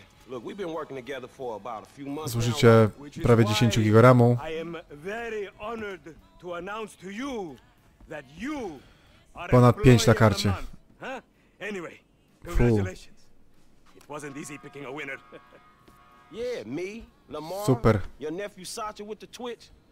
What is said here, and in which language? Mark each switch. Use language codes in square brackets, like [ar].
[en] Look, we've been working together for about a few months. [pl] Zużycie prawie 10 giga RAM-u. [en] I am very honored to announce to you that you are [pl] ponad 5 na karcie. [en] Anyway, congratulations. It wasn't easy picking a winner. Yeah, me, Lamar. Super. Your nephew Sacha with the Twitch.